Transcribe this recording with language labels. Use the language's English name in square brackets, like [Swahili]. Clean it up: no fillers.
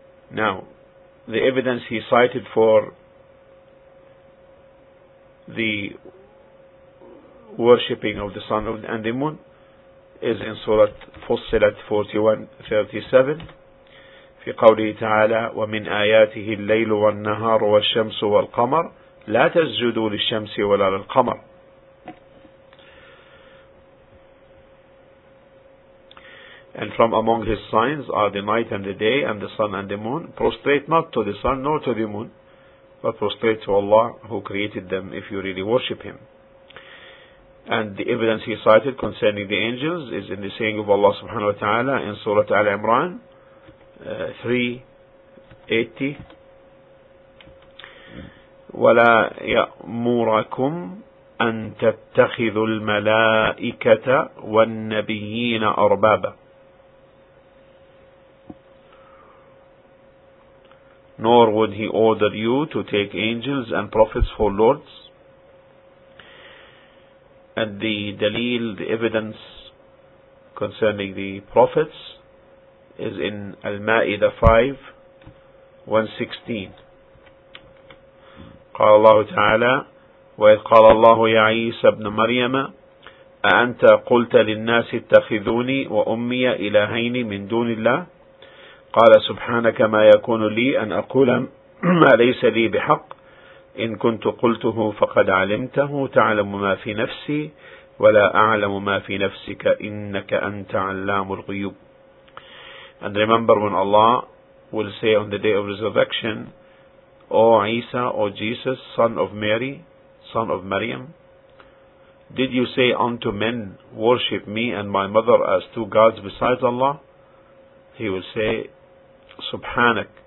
[English] Now, the evidence he cited for the worshipping of the sun and the moon is in Surah Fussilat 41:37. [Arabic] في قوله تعالى ومن آياته الليل والنهار والشمس والقمر لا تسجدوا للشمس ولا للقمر. [English] And from among his signs are the night and the day and the sun and the moon. Prostrate not to the sun nor to the moon, but prostrate to Allah who created them if you really worship him. And the evidence he cited concerning the angels is in the saying of Allah subhanahu wa ta'ala in Surah Al-Imran 380. [Arabic] وَلَا يَأْمُرَكُمْ أَن تَتَّخِذُوا الْمَلَائِكَةَ وَالنَّبِيِّينَ أَرْبَابًا. [English] Nor would he order you to take angels and prophets for lords. And the dalil, the evidence concerning the prophets is in Al-Ma'idah 5:116. [Arabic] قال الله تعالى وإذ قال الله يا عيسى ابن مريم أأنت قلت للناس اتخذوني وأمي إلهين من دون الله قال سبحانك ما يكون لي أن أقول ما ليس لي بحق إن كنت قلته فقد علمته تعلم ما في نفسي ولا أعلم ما في نفسك إنك أنت علام الغيوب. [English] And remember when Allah will say on the day of resurrection, O Isa, O Jesus, son of Mary, son of Maryam, did you say unto men, worship me and my mother as two gods besides Allah? He will say, Subhanak,